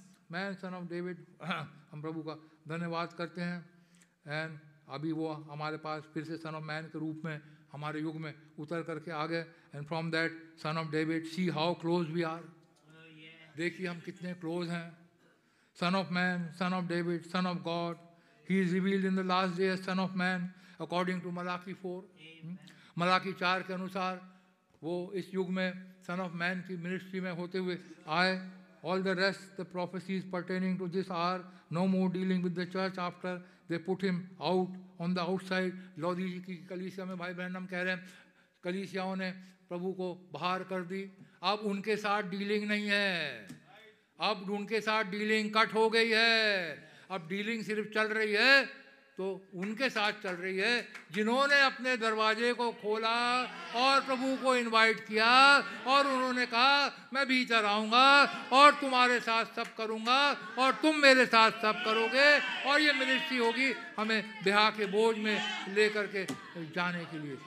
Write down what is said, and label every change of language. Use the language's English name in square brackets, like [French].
[Hindi] Man son of David हम प्रभु का धन्यवाद करते हैं, एंड अभी वो हमारे पास फिर से सन ऑफ मैन के रूप में हमारे युग में उतर करके आ गए, [English] and from that son of David see how close we are, [Hindi] देखिए हम कितने क्लोज हैं। [English] son of man son of David son of God he is revealed in the last day son of man according to Malachi 4, [Hindi] Malachi 4 के अनुसार वो इस युग में सन ऑफ मैन की मिनिस्ट्री में होते हुए आए। [English] All the rest, the prophecies pertaining to this are no more dealing with the church after they put him out on the outside. [Hindi] लौदी जी की कलीसिया में भाई बहन हम कह रहे हैं कलीसियाओं ने प्रभु को बाहर कर दी, अब उनके साथ डीलिंग नहीं है, अब उनके साथ डीलिंग कट हो गई है, अब डीलिंग सिर्फ चल रही है तो उनके साथ चल रही है जिन्होंने अपने दरवाजे को खोला और प्रभु को इनवाइट किया और उन्होंने कहा मैं भीतर आऊंगा और तुम्हारे साथ सब करूंगा और तुम मेरे साथ सब करोगे और ये मिनिस्ट्री होगी हमें ब्याह के बोझ में लेकर के जाने के लिए।